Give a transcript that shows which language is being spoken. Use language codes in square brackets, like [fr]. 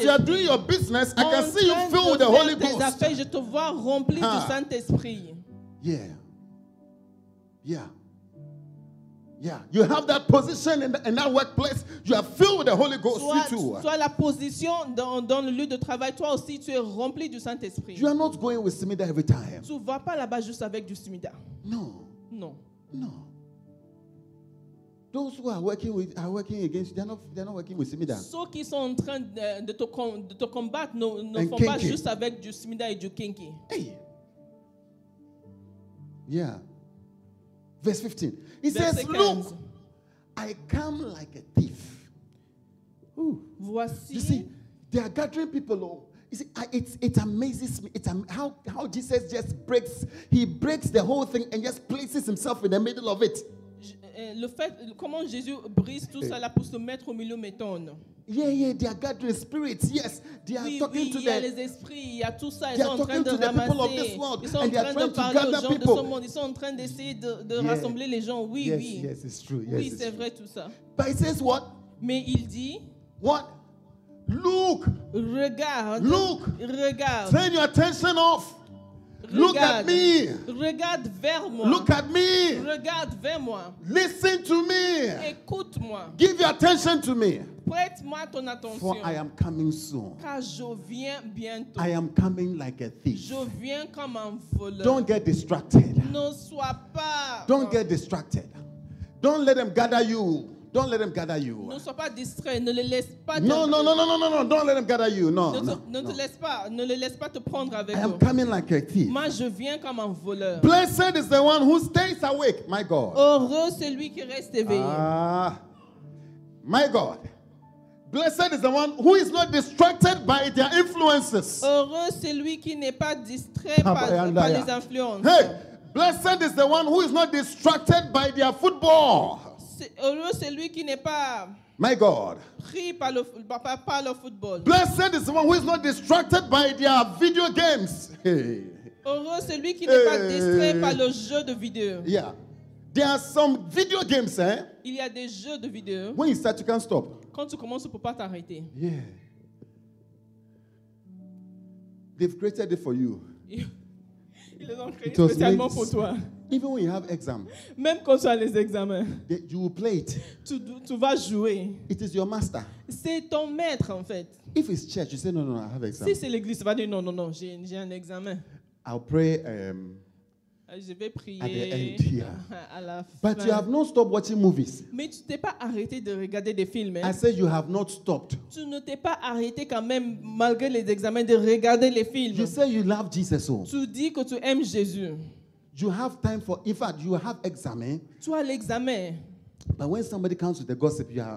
[en] As you are doing your business, I can en see you filled with the Holy Ghost. [fr] Affaires, je te vois rempli du Saint-Esprit. [en] Yeah. Yeah. Yeah, you have that position in that workplace. You are filled with the Holy Ghost. [fr] Toi, [en] you too. [fr] Toi, la position dans le lieu de travail, toi aussi, tu es rempli du Saint-Esprit. [en] You are not going with Simida every time. [fr] Tu vas pas là-bas juste avec du Simida. [en] No. No. No. Those who are working with are working against. They're not working with Simida. [fr] Ceux qui sont en train de te combattre ne font pas juste avec du Simida et du Kinky. [en] Hey. Yeah. Verse 15. He says, "Look, I come like a thief." [fr] Ooh. Voici. [en] You see, they are gathering people. Oh, you see, it amazes me. How Jesus just breaks the whole thing and just places himself in the middle of it. [fr] Le fait comment Jésus brise tout ça là pour se mettre au milieu m'étonne. [en] Yeah, they are gathering spirits. Yes, they are talking to them. [fr] Il y a les esprits, il y a tout ça. Ils sont en train de ramasser. [en] People of this world, [fr] ils sont en train de parler aux gens [en] people. [fr] De ce monde. Ils sont en train d'essayer de rassembler les gens. Oui, [en] yes, [fr] oui. [en] Yes, it's true. Yes, [fr] oui, [en] it's [fr] c'est [en] true. [fr] Vrai tout ça. [en] But it says what? [fr] Mais il dit. [en] What? Look. [fr] Regarde. [en] Look. [fr] Regarde. [en] Turn your attention off. [fr] Regarde, [en] look at me. [fr] Regarde vers moi. [en] Look at me. [fr] Regarde vers moi. [en] Listen to me. [fr] Écoute-moi. [en] Give your attention to me. [fr] Prête-moi ton attention. [en] For I am coming soon. [fr] Car je viens bientôt. [en] I am coming like a thief. [fr] Je viens comme un voleur. [en] Don't get distracted. Ne sois pas. Don't get distracted. Don't let them gather you. Don't let them gather you. [fr] Ne sois pas distrait. Ne les laisse pas. [en] No. Don't let them gather you. No. [fr] Ne les laisse pas te prendre avec eux. [en] I am coming like a thief. [fr] Moi, je viens comme un voleur. [en] Blessed is the one who stays awake, my God. [fr] Heureux celui qui reste éveillé. [en] Ah, my God. Blessed is the one who is not distracted by their influences. [fr] Heureux celui qui n'est pas distrait par les influences. [en] Hey, blessed is the one who is not distracted by their football. [fr] Heureux celui qui n'est pas [en] my God. [fr] Pris par le football. [en] Blessed is the one who is not distracted by their video games. [fr] Heureux celui qui n'est pas distrait par le jeu de vidéo. [en] Yeah, there are some video games, eh? [fr] Il y a des jeux de vidéo. [en] When you start, you can't stop. [fr] Quand tu commences, tu ne peux pas t'arrêter. [en] Yeah. They've created it for you. [fr] Ils l'ont créé spécialement pour toi. [en] Even when you have exam, [fr] même quand tu as les examens, [en] you will play it. [fr] Tu vas jouer. [en] It is your master. [fr] C'est ton maître en fait. [en] If it's church, you say no, I have exam. [fr] Si c'est l'église, tu vas dire non, j'ai un examen. [en] I'll pray. [fr] Je vais prier. [en] At the end, yeah. [fr] À la fin. [en] But you have not stopped watching movies. [fr] Mais tu t'es pas arrêté de regarder des films. Hein? [en] I said you have not stopped. [fr] Tu ne t'es pas arrêté quand même malgré les examens de regarder les films. [en] You say you love Jesus. So. [fr] Tu dis que tu aimes Jésus. [en] You have time for, in fact, you have examen. [fr] Tu as l'examen. [en] But when somebody comes with the gossip, you are